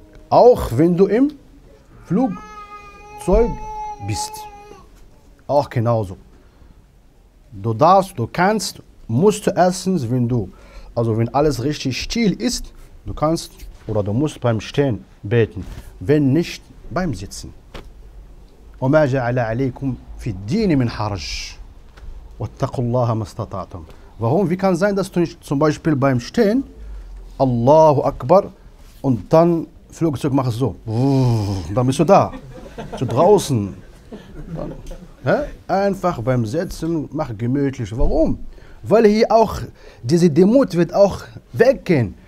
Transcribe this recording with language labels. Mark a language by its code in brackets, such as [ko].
[de] Auch wenn du im Flugzeug bist. Auch genauso. Du darfst, du kannst, musst du erstens, wenn du, also wenn alles richtig still ist, du kannst oder du musst beim Stehen beten. Wenn nicht, beim Sitzen. [ar] وما جعل عليكم في الدين من حرج واتقوا الله ما استطعتم. [de] Warum? Wie kann es sein, dass du nicht zum Beispiel beim Stehen Allahu Akbar und dann Flugzeug machst so. Dann bist du da. Zu draußen. Einfach beim Sitzen mach gemütlich. Warum? Weil hier auch diese Demut wird auch weggehen.